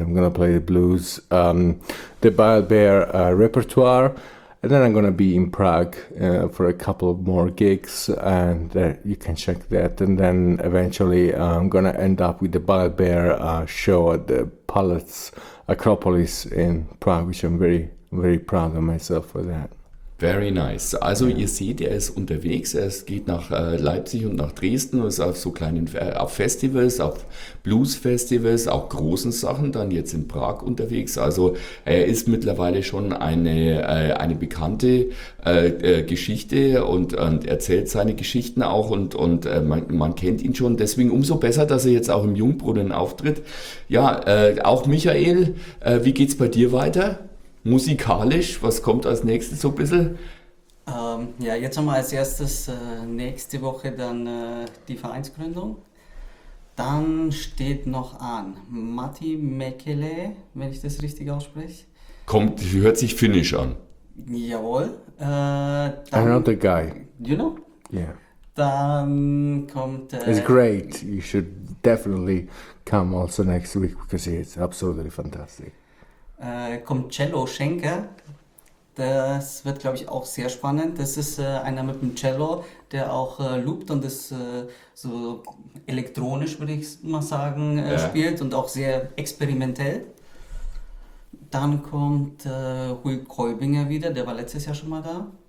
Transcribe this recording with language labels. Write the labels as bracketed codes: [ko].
[en] I'm going to play the blues, the Bile Bear repertoire, and then I'm going to be in Prague for a couple of more gigs, and you can check that. And then eventually I'm going to end up with the Bile Bear show at the Palace Acropolis in Prague, which I'm very, very proud of myself for that. Very nice. [de] Also ihr seht, er ist unterwegs, er geht nach Leipzig und nach Dresden und ist auf so kleinen auf Festivals, auf Blues-Festivals, auch großen Sachen, dann jetzt in Prag unterwegs. Also er ist mittlerweile schon eine bekannte Geschichte und erzählt seine Geschichten auch und man kennt ihn schon. Deswegen umso besser, dass er jetzt auch im Jungbrunnen auftritt. Ja, auch Michael, wie geht's bei dir weiter? Musikalisch, was kommt als nächstes so ein bisschen? Ja, jetzt haben wir als erstes nächste Woche dann die Vereinsgründung. Dann steht noch an Matti Mäkelä, wenn ich das richtig ausspreche. Kommt, hört sich finnisch an. Jawohl. Dann, [en] I know the guy. You know? Yeah. [de] Dann kommt... [en] It's great, you should definitely come also next week, because it's absolutely fantastic. [de] Kommt Cello Schenker, Das wird, glaube ich, auch sehr spannend. Das ist einer mit dem Cello, der auch loopt und das so elektronisch, würde ich mal sagen, spielt und auch sehr experimentell. Dann kommt Rui Kolbinger wieder, der war letztes Jahr schon mal da.